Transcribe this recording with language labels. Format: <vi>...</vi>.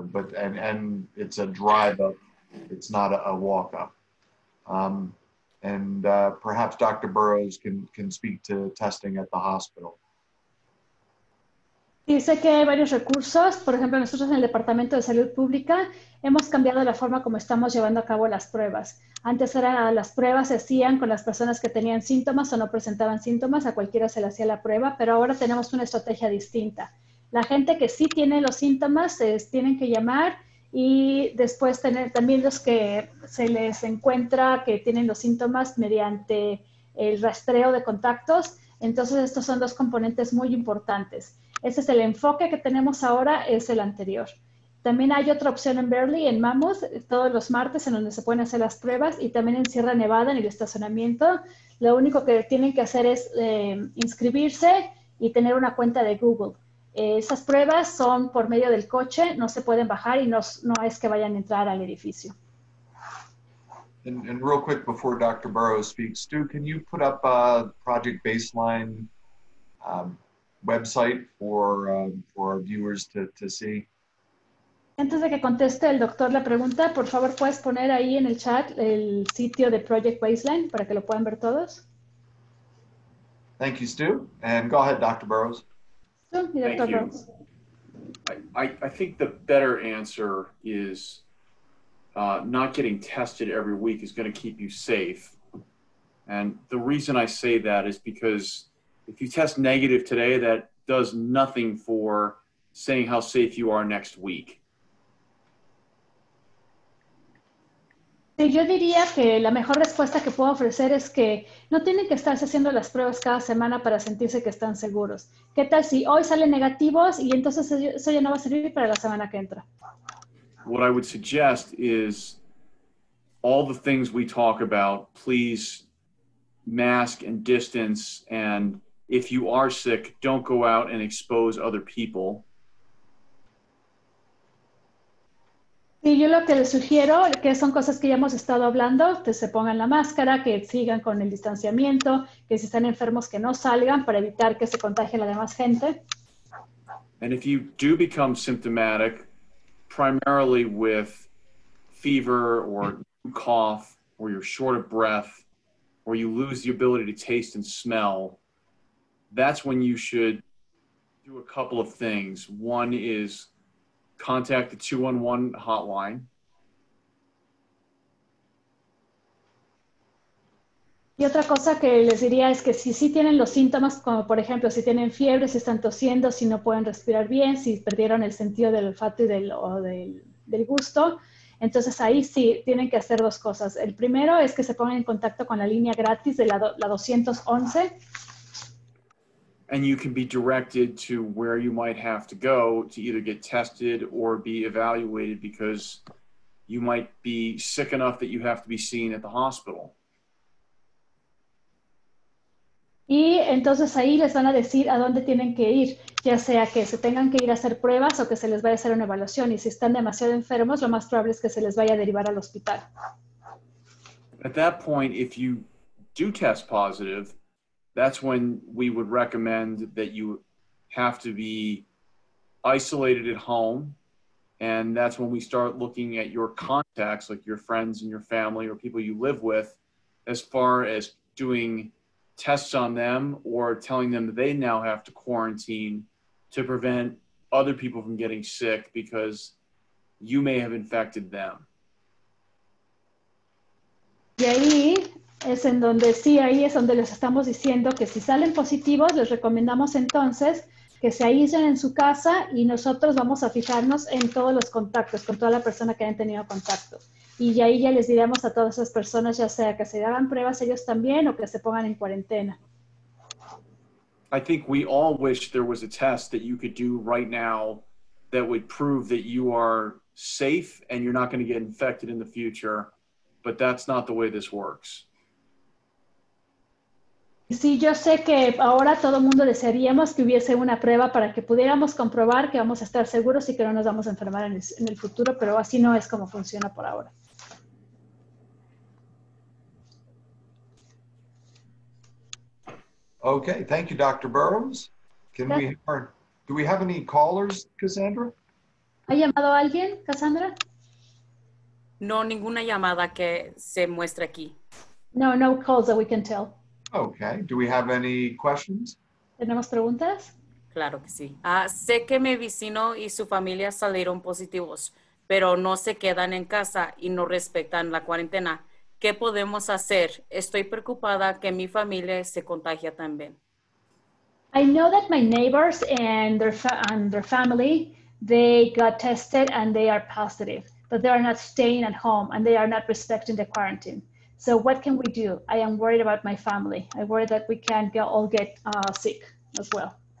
<en>But and it's a drive up. It's not a walk up. And perhaps Dr. Burrows can speak to testing at the hospital.</en> <es>Dice que hay varios recursos. Por ejemplo, nosotros en el Departamento de Salud Pública hemos cambiado la forma como estamos llevando a cabo las pruebas. Antes eran las pruebas se hacían con las personas que tenían síntomas o no presentaban síntomas, a cualquiera se le hacía la prueba, pero ahora tenemos una estrategia distinta. La gente que sí tiene los síntomas tienen que llamar. Y después tener también los que se les encuentra que tienen los síntomas mediante el rastreo de contactos. Entonces, estos son dos componentes muy importantes. Ese es el enfoque que tenemos ahora, es el anterior. También hay otra opción en Verly, en Mammoth, todos los martes en donde se pueden hacer las pruebas y también en Sierra Nevada, en el estacionamiento. Lo único que tienen que hacer es inscribirse y tener una cuenta de Google. Esas pruebas son por medio del coche, no se pueden bajar y no es que vayan a entrar al edificio.</es> <en>And real quick before Dr. Burrows speaks, Stu, can you put up a Project Baseline website for our viewers to see? Antes de que conteste el doctor la pregunta, por favor, ¿puedes poner ahí en el chat el sitio de Project Baseline para que lo puedan ver todos? Thank you, Stu. And go ahead, Dr. Burrows. Thank you. I think the better answer is not getting tested every week is going to keep you safe. And the reason I say that is because if you test negative today, that does nothing for saying how safe you are next week.</en> <es>Sí, yo diría que la mejor respuesta que puedo ofrecer es que no tienen que estarse haciendo las pruebas cada semana para sentirse que están seguros. ¿Qué tal si hoy salen negativos y entonces eso ya no va a servir para la semana que entra?</es> <en>What I would suggest is all the things we talk about, please mask and distance, and if you are sick, don't go out and expose other people.</en> <es>Sí, yo lo que les sugiero, que son cosas que ya hemos estado hablando, que se pongan la máscara, que sigan con el distanciamiento, que si están enfermos que no salgan para evitar que se contagie la demás gente.</es> <en>And if you do become symptomatic, primarily with fever or cough, or you're short of breath, or you lose the ability to taste and smell, that's when you should do a couple of things. One is contact the 211 hotline.</en> <es>Y otra cosa que les diría es que si sí tienen los síntomas, como por ejemplo, si tienen fiebre, si están tosiendo, si no pueden respirar bien, si perdieron el sentido del olfato y del gusto, entonces ahí sí tienen que hacer dos cosas. El primero es que se pongan en contacto con la línea gratis de la 211.</es> <en>And you can be directed to where you might have to go to either get tested or be evaluated because you might be sick enough that you have to be seen at the hospital.</en> <es>Y entonces ahí les van a decir a dónde tienen que ir, ya sea que se tengan que ir a hacer pruebas o que se les vaya a hacer una evaluación. Y si están demasiado enfermos, lo más probable es que se les vaya a derivar al hospital.</es> <en>At that point, if you do test positive, that's when we would recommend that you have to be isolated at home. And that's when we start looking at your contacts, like your friends and your family or people you live with, as far as doing tests on them or telling them that they now have to quarantine to prevent other people from getting sick because you may have infected them.</en> <es>Y ahí es en donde, sí, ahí es donde les estamos diciendo que si salen positivos, les recomendamos entonces que se aíslen en su casa y nosotros vamos a fijarnos en todos los contactos, con toda la persona que hayan tenido contacto. Y ahí ya les diremos a todas esas personas, ya sea que se hagan pruebas ellos también o que se pongan en cuarentena.</es> <en>I think we all wish there was a test that you could do right now that would prove that you are safe and you're not going to get infected in the future, but that's not the way this works.</en> <es>Sí, yo sé que ahora todo mundo desearíamos que hubiese una prueba para que pudiéramos comprobar que vamos a estar seguros y que no nos vamos a enfermar en el futuro, pero así no es como funciona por ahora.</es> <en>Okay, thank you, Dr. Burrows. Do we have any callers, Cassandra?</en> <es>¿Ha llamado a alguien, Cassandra? No, ninguna llamada que se muestre aquí.</es> <en>No, no calls that we can tell. Okay, do we have any questions?</en> <es>¿Tenemos preguntas? Claro que sí. Sé que mi vecino y su familia salieron positivos, pero no se quedan en casa y no respetan la cuarentena. ¿Qué podemos hacer? Estoy preocupada que mi familia se contagie también.</es> <en>I know that my neighbors and their family, they got tested and they are positive, but they are not staying at home and they are not respecting the quarantine. So what can we do? I am worried about my family. I worry that we can all get sick as well.</en>